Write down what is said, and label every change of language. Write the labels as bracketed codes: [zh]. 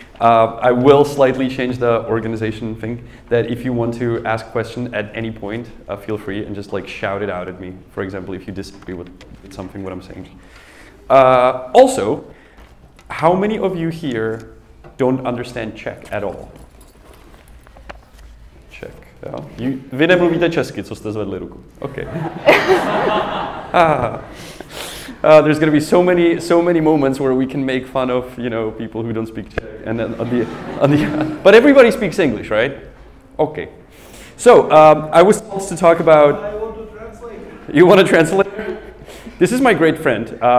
[en] I will slightly change the organization thing, that if you want to ask questions at any point, feel free and just like shout it out at me. For example, if you disagree with something what I'm saying. Also, how many of you here don't understand Czech at all? Czech, yeah. You, [cs] vy nemluvíte česky, co jste zvedli ruku. [en] Okay. There's going to be so many moments where we can make fun of, you know, people who don't speak Czech. And then but everybody speaks English, right? Okay. So I was supposed to talk about. I want to translate. You want to translate? This is my great friend.